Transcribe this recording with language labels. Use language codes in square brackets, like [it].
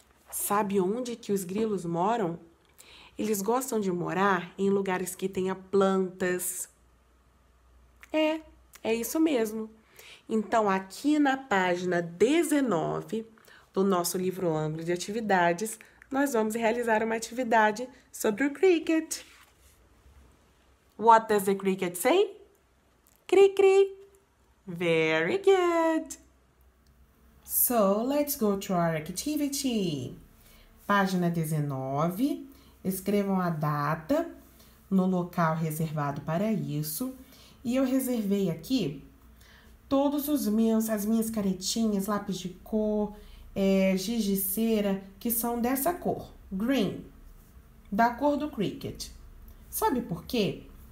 [pt] Sabe onde que os grilos moram? Eles gostam de morar em lugares que tenha plantas. É isso mesmo. Então, aqui na página 19 do nosso livro Ângulo de Atividades, nós vamos realizar uma atividade sobre o cricket. [en] What does the cricket say? Cri cri. Very good. So, let's go to our activity. [pt] Página 19. Escrevam a data no local reservado para isso. E eu reservei aqui todos os meus, as minhas caretinhas, lápis de cor, giz de cera, que são dessa cor, green, da cor do cricket. Sabe por quê?